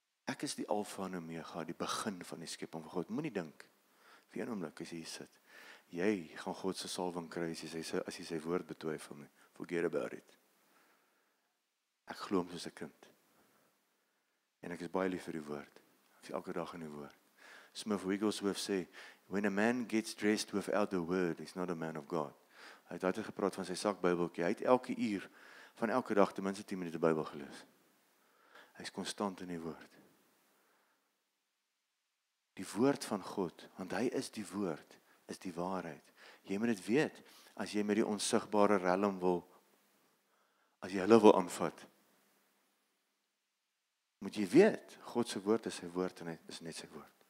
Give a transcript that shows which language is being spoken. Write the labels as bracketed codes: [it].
[af] Ek is die alfa en omega, die begin van die skepping van God. Moenie dink, vir een oomblik as jy hier sit, jy gaan God se salwing kry as jy sy woord betwyfel nie. [en] Forget about it. [af] Ek glo hom soos 'n kind. En ek is baie lief vir die woord. Ek sien elke dag in die woord. [en] Smith Wigglesworth sê, when a man gets dressed without the word, he's not a man of God. [af] Hy het altyd gepraat van sy sak Bybelkie. Hy het elke uur van elke dag ten minste 10 minute die Bybel gelees. Hy is konstant in die woord. Die woord van God, want hy is die woord, is die waarheid. Jy moet dit weet, as jy met die onsigbare realm wil, as jy hulle wil aanvat, moet jy weet, God se woord is sy woord en is net sy woord.